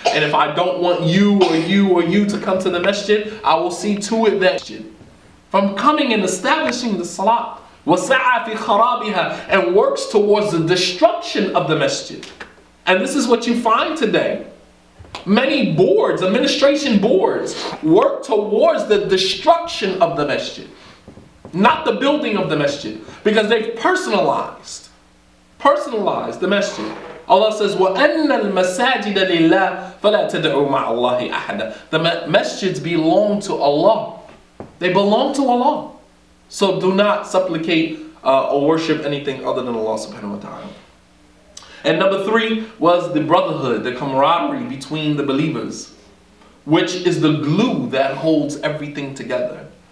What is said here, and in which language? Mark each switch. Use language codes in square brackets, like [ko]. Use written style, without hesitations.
[en] And if I don't want you or you or you to come to the masjid, I will see to it that from coming and establishing the salat, [ar] وَسَعَى فِي خَرَابِهَا, [en] and works towards the destruction of the masjid. And this is what you find today. Many boards, administration boards, work towards the destruction of the masjid. Not the building of the masjid. Because they've personalized the masjid. Allah says, [ar] وَأَنَّ الْمَسَاجِدَ لِلَّهِ فَلَا تَدْعُوا مَعَ اللَّهِ أَحَدًا. [en] The masjids belong to Allah. They belong to Allah. So do not supplicate or worship anything other than Allah subhanahu wa ta'ala. And number three was the brotherhood, the camaraderie between the believers, which is the glue that holds everything together.